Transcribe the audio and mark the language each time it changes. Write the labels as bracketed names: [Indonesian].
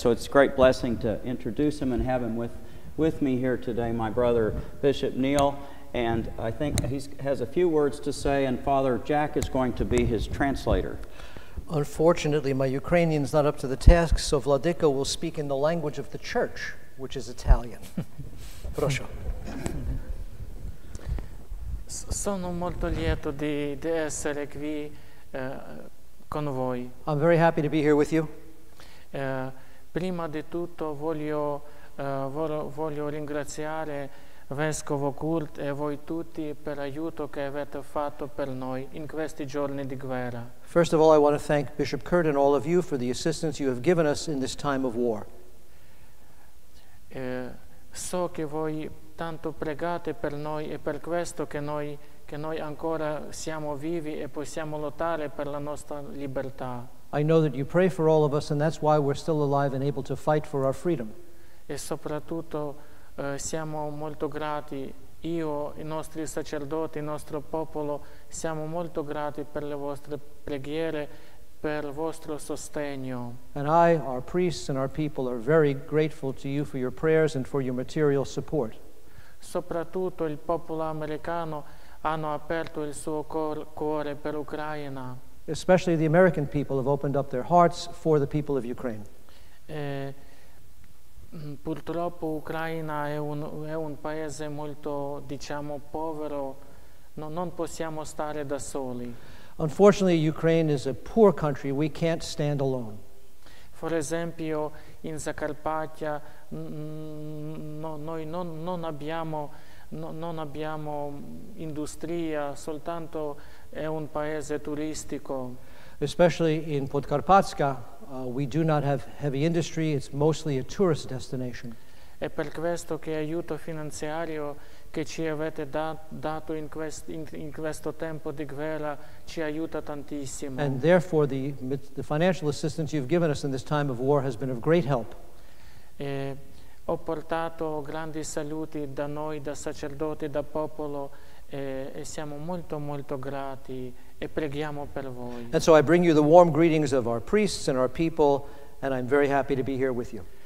[English] So it's a great blessing to introduce him and have him with me here today, my brother Bishop Neil. And I think he has a few words to say, and Father Jack is going to be his translator. Unfortunately, my Ukrainian's not up to the task, so Vladyka will speak in the language of the church, which is Italian. [Ukrainian] Prosho. [Italian] Sono molto lieto di essere qui con voi. [English] I'm very happy to be here with you. [Italian] Prima di tutto voglio ringraziare Vescovo Kurt e voi tutti per l'aiuto che avete fatto per noi in questi giorni di guerra. [English] First of all, I want to thank Bishop Kurt and all of you for the assistance you have given us in this time of war. [Italian] So che voi tanto pregate per noi e per questo che noi ancora siamo vivi e possiamo lottare per la nostra libertà. [English] I know that you pray for all of us, and that's why we're still alive and able to fight for our freedom. [Italian] E soprattutto siamo molto grati, io, i nostri sacerdoti, il nostro popolo, siamo molto grati per le vostre preghiere, per il vostro sostegno. [English] And I, our priests and our people, are very grateful to you for your prayers and for your material support. [Italian] Soprattutto il popolo americano hanno aperto il suo cuore per l'Ucraina. [English] Especially the American people have opened up their hearts for the people of Ukraine. [Italian] Purtroppo Ucraina è un paese molto, diciamo, povero. No, non possiamo stare da soli. [English] Unfortunately, Ukraine is a poor country. We can't stand alone. [Italian] For esempio, in Zakarpattia noi non abbiamo industria, soltanto è un paese turistico. [English] Especially in Podkarpatska, we do not have heavy industry, it's mostly a tourist destination. [Italian] È per questo che aiuto finanziario che ci avete dato in questo tempo di guerra ci aiuta tantissimo. [English] And therefore the financial assistance you've given us in this time of war has been of great help. [Italian] Ho portato grandi saluti da noi, da sacerdoti, da popolo, e siamo molto, molto grati e preghiamo per voi. [English] And so I bring you the warm greetings of our priests and our people, and I'm very happy to be here with you.